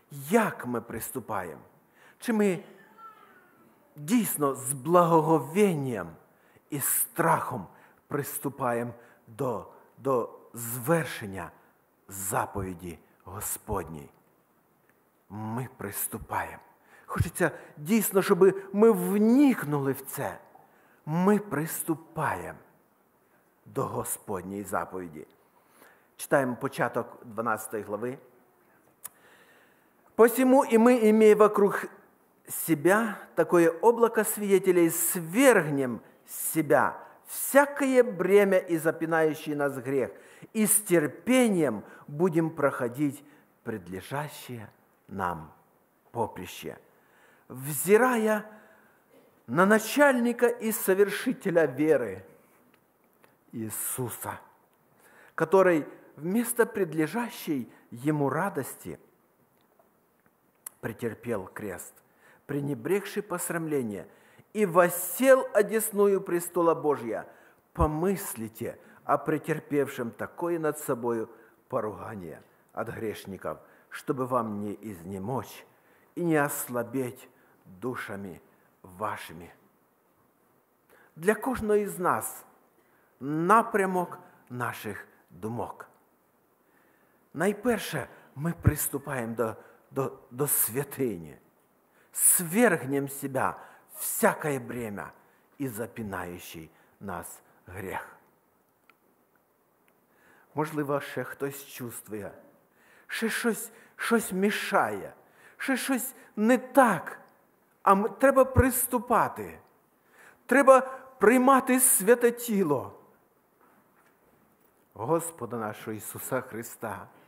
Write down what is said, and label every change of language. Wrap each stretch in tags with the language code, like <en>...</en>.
<uk>Як ми приступаємо? Чи ми дійсно з благоговінням і страхом приступаємо до звершення заповіді Господній? Ми приступаємо. Хочеться дійсно, щоб ми внікнули в це. Ми приступаємо до Господньої заповіді. Читаємо початок 12 глави.</uk> <ru>«Посіму і ми, імея вокруг себя такое облако свидетелей, свергнем с себя всякое бремя и запинающий нас грех, и с терпением будем проходить предлежащее нам поприще, взирая на начальника и совершителя веры Иисуса, который вместо предлежащей ему радости претерпел крест, пренебрегши посрамление, и воссел одесную престола Божия. Помыслите о претерпевшем такое над собою поругание от грешников, чтобы вам не изнемочь и не ослабеть душами вашими».</ru> <uk>Для кожного из нас напрямок наших думок. Найперше ми приступаємо до святині.</uk> <ru>Свергнем себя всякое бремя и запинающий нас грех.</ru> <uk>Можливо, ще хтось чувствує, ще щось мішає, ще щось не так, а треба приступати, треба приймати святе тіло Господа нашого Ісуса Христа.</uk>